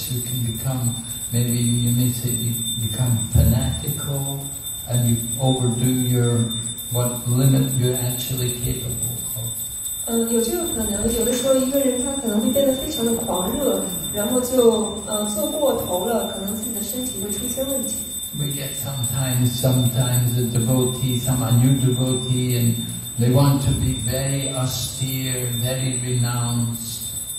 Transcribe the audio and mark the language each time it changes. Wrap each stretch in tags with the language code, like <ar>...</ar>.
<en>You can become maybe you may say you become fanatical, and you overdo your what limit you're actually capable.</en> <zh>有这个可能，有的时候一个人他可能会变得非常的狂热，然后就做过头了，可能自己的身体会出现问题。</zh> <en>We get sometimes a devotee, some a new devotee, and they want to be very austere, very renounced.</en>